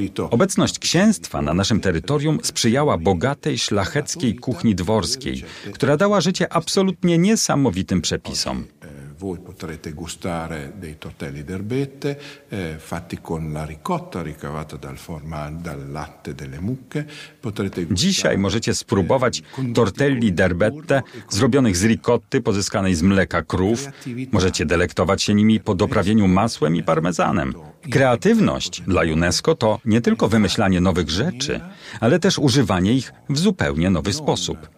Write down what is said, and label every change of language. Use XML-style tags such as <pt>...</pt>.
<pl>Obecność księstwa na naszym terytorium sprzyjała bogatej szlacheckiej kuchni dworskiej, która dała życie absolutnie niesamowitym przepisom.</pl> <it>Voi potrete gustare dei tortelli d'erbette fatti con la ricotta ricavata dal formaggio dal latte delle mucche. Potrete gustare.</it> <pl>Dzisiaj możecie spróbować tortelli d'erbette zrobionych z ricotty pozyskanej z mleka krów. Możecie delektować się nimi po doprawieniu masłem i parmezanem. Kreatywność dla UNESCO to nie tylko wymyślanie nowych rzeczy, ale też używanie ich w zupełnie nowy sposób.</pl>